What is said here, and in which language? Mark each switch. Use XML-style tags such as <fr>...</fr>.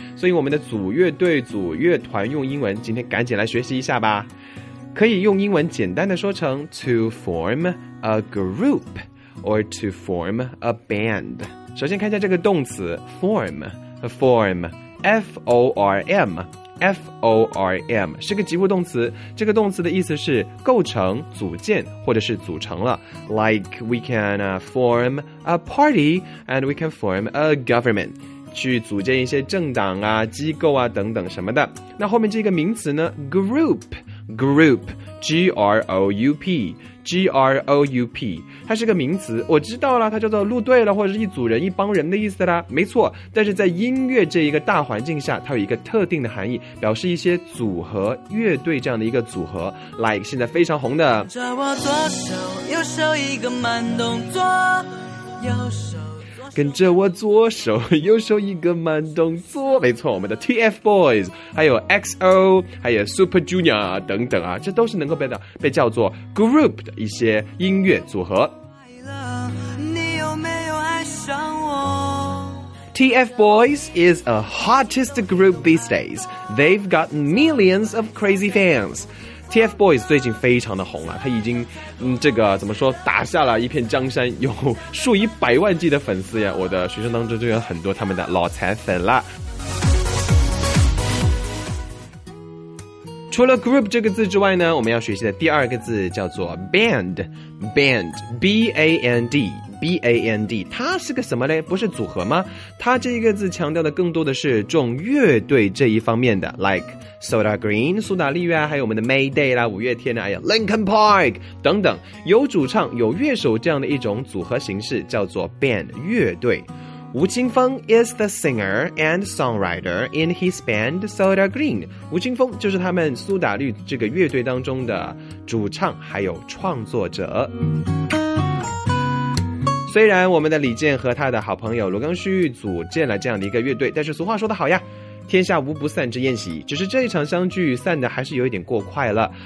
<zh>所以我们的组乐队组乐团用英文今天赶紧来学习一下吧，可以用英文简单的说成</zh> <en>to form a group or to form a band。</en> <zh>首先看一下这个动词 form F-O-R-M F-O-R-M 是个及物动词，这个动词的意思是构成、组建或者是组成了。</zh> <en>Like we can form a party and we can form a government，</en> <zh>去组建一些政党啊、机构啊等等什么的。那后面这个名词呢， group G-R-O-U-P G-R-O-U-P 它是个名词，我知道了，它叫做路队了，或者是一组人一帮人的意思啦，没错。但是在音乐这一个大环境下，它有一个特定的含义，表示一些组合乐队这样的一个组合。 Like 现在非常红的抓我左手右手一个慢动作，右手跟着我左手右手一个慢动作，没错，我们的 TFBOYS 还有 XO 还有 Super Junior 等等啊，这都是能够 被叫做 group 的一些音乐组合。你有没有爱上我？</zh> <en>TFBOYS is a hottest group these days. They've got millions of crazy fans.</en> <zh>TFBOYS 最近非常的红啊，他已经这个怎么说，打下了一片江山，有数以百万计的粉丝呀，我的学生当中就有很多他们的老残粉了。除了 group 这个字之外呢，我们要学习的第二个字叫做 band B-A-N-D B-A-N-D， 它是个什么嘞？不是组合吗？它这个字强调的更多的是重乐队这一方面的， like Soda Green 苏打绿啊，还有我们的 Mayday 啦，五月天啊，还有 Linkin Park 等等，有主唱有乐手这样的一种组合形式叫做 band 乐队。</zh> <en>吴青峰 is the singer and songwriter in his band Soda Green.</en> <zh>吴青峰就是他们苏打绿这个乐队当中的主唱还有创作者。虽然我们的李健和他的好朋友罗刚旭组建了这样的一个乐队，但是俗话说得好呀，天下无不散之宴席，只是这一场相聚散的还是有一点过快了。</zh>